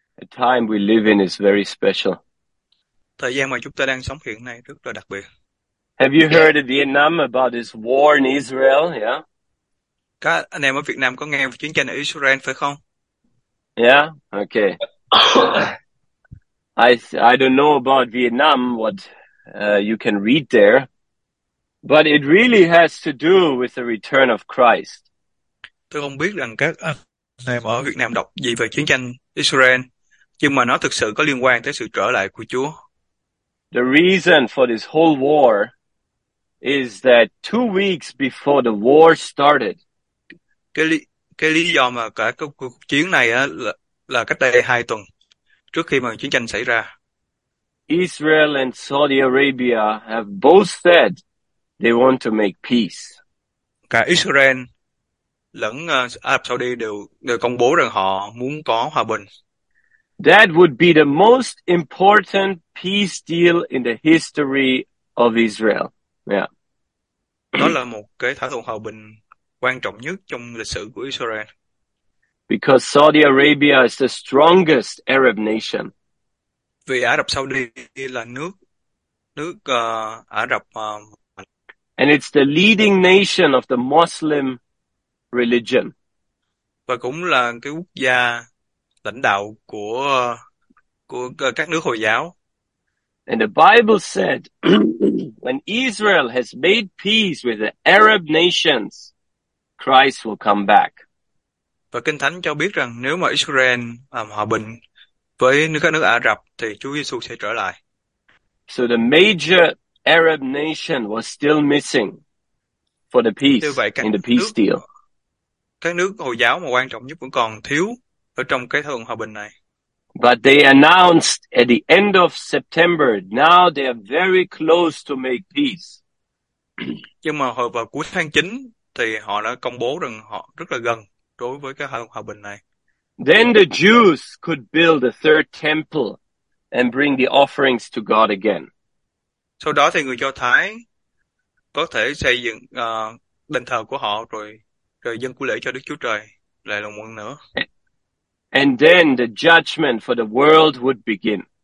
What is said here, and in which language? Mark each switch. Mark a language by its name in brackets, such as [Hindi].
[English] Time we live in is very special. [Vietnamese] Thời gian mà chúng ta đang sống hiện nay rất là đặc biệt. [English] Have you [Vietnamese] Dạ. [English] heard of Vietnam about this war in Israel? Yeah. [Vietnamese] Các anh em ở Việt Nam có nghe về chiến tranh ở Israel phải không? [English] Yeah, okay. I don't know about Vietnam, what you can read there, but it really has to do with the return of Christ. [Vietnamese] Tôi không biết rằng các anh em ở Việt Nam đọc gì về chiến tranh Israel, nhưng mà nó thực sự có liên quan tới sự trở lại của Chúa. [English] The reason for this whole war is that 2 weeks before the war started, [Vietnamese] Cái lý do mà cả cái cuộc chiến này á là cách đây 2 tuần trước khi mà chiến tranh xảy ra. [English] Israel and Saudi Arabia have both said they want to make peace. [Vietnamese] Cả Israel lẫn Arab Saudi đều công bố rằng họ muốn có hòa bình. [English] That would be the most important peace deal in the history of Israel. Yeah. [Vietnamese] Đó là một cái thỏa thuận hòa bình quan trọng nhất trong lịch sử của Israel. [English] Because Saudi Arabia is the strongest Arab nation. [Vietnamese] Vì Ả Rập Saudi là nước nước Ả Rập [English] And it's the leading nation of the Muslim religion. [Vietnamese] và cũng là cái quốc gia lãnh đạo của các nước Hồi giáo. [English] And the Bible said, when Israel has made peace with the Arab nations, Christ will come back. [Vietnamese] Và Kinh Thánh cho biết rằng nếu mà Israel hòa bình với các nước Ả Rập thì Chúa Giêsu sẽ trở lại. [English] So the major Arab nation was still missing for the [Vietnamese] Như [English] peace, [Vietnamese] vậy [English] in the peace deal. [Vietnamese] các nước Hồi giáo mà quan trọng nhất vẫn còn thiếu ở trong cái thỏa thuận hòa bình này. [English] But they announced at the end of September, now they are very close to make peace. [Vietnamese] Nhưng mà hồi vào cuối tháng 9 thì họ đã công bố rằng họ rất là gần đối với cái hòa bình này. [English] Then the Jews could build a third temple and bring the offerings to God again. [Vietnamese] Sau đó thì người Do Thái có thể xây dựng đền thờ của họ rồi rồi dâng cúng lễ cho Đức Chúa Trời lại lần một nữa. [English] And then the judgment for the world would begin.